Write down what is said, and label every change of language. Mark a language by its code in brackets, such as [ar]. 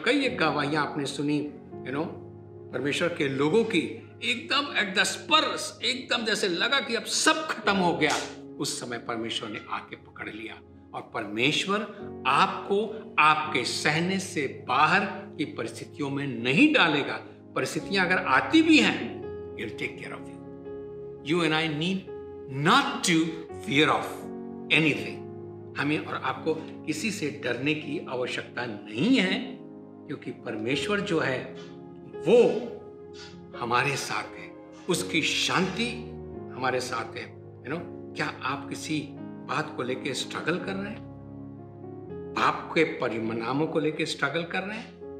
[hi] कई एक गवाहियां आपने सुनी परमेश्वर के लोगों की, एकदम [en] at the spurs, [hi] एकदम जैसे लगा कि अब सब खत्म हो गया, उस समय परमेश्वर ने आके पकड़ लिया। और परमेश्वर आपको आपके सहने से बाहर की परिस्थितियों में नहीं डालेगा। परिस्थितियां अगर आती भी हैं, [en] He'll take care of you. You and I need not to fear of anything. [hi] हमें और आपको किसी से डरने की आवश्यकता नहीं है, क्योंकि परमेश्वर जो है वो हमारे साथ है, उसकी शांति हमारे साथ है। क्या आप किसी बात को लेके स्ट्रगल कर रहे हैं, पाप के परिणामों को लेके स्ट्रगल कर रहे हैं?